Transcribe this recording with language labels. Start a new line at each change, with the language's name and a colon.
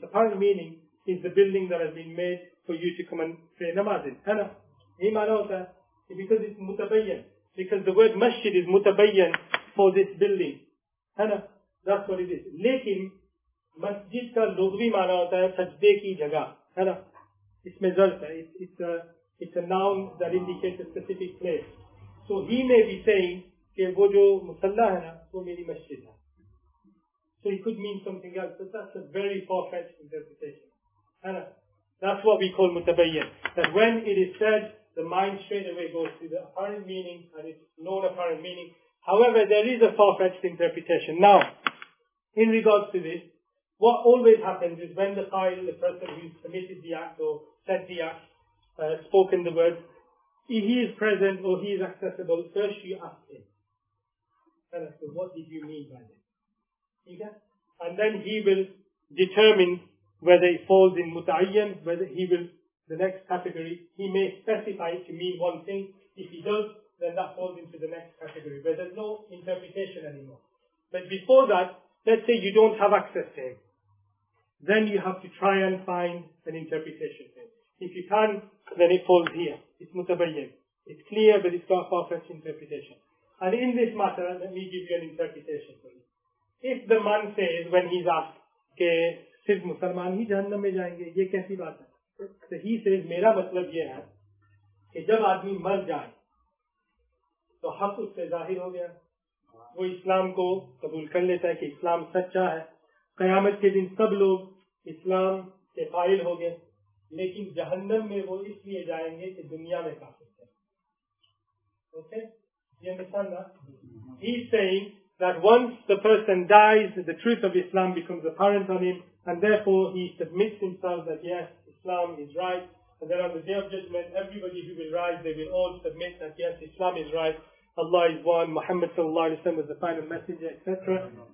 English: Its apparent meaning is the building that has been made for you to come and say namaz in.
Urdu: Hana?
English: Imanota? Because it's mutabayyan. Because the word masjid is mutabayyan for this building.
Urdu: Hana?
English: That's what it is.
Urdu: لیکن، مسجد کا لغوی معنی ہوتا ہے سجدے کی جگہ۔ Hana? اسم ظرف ہے۔
English: It's a noun that indicates a specific place. So he may be saying،
Urdu: کہ وہ جو مصلیٰ ہے نا، وہ میری مسجد ہے۔
English: So he could mean something else, but that's a very far-fetched interpretation.
Urdu: Hana?
English: That's what we call mutabayyan. That when it is said, the mind straight away goes to the apparent meaning and its non-apparent meaning. However, there is a far-fetched interpretation. Now, in regards to this, what always happens is when the qail, the person who committed the act or said the act, spoken the words, if he is present or he is accessible, first you ask him. Tell us, what did you mean by this? Okay? And then he will determine whether it falls in mutayyan, whether he will, the next category, he may specify it to mean one thing. If he does, then that falls into the next category, where there's no interpretation anymore. But before that, let's say you don't have access to him. Then you have to try and find an interpretation to him. If you can, then it falls here. It's mutabayyan. It's clear, but it's got a far-fetched interpretation. And in this matter, let me give you an interpretation for you. If the man says, when he's asked،
Urdu: کہ صرف مسلمان ہی جہنم میں جائیں گے، یہ کیسی بات ہے؟
English: So he says،
Urdu: میرا مطلب یہ ہے، کہ جب آدمی مر جائے، تو حق اس سے ظاہر ہو گیا۔ وہ اسلام کو قبول کر لیتا ہے کہ اسلام سچا ہے۔ قیامت کے دن سب لوگ اسلام کے قائل ہو گئے۔ لیکن جہنم میں وہ اس لیے جائیں گے کہ دنیا میں کافر ہے.
English: Okay? You understand that? He's saying that once the person dies, the truth of Islam becomes apparent on him, and therefore he submits himself that yes, Islam is right, and then on the day of judgment, everybody who will rise, they will all submit that yes, Islam is right, Allah is one, Muhammad sallallahu alaihi wasallam is the final messenger, etc.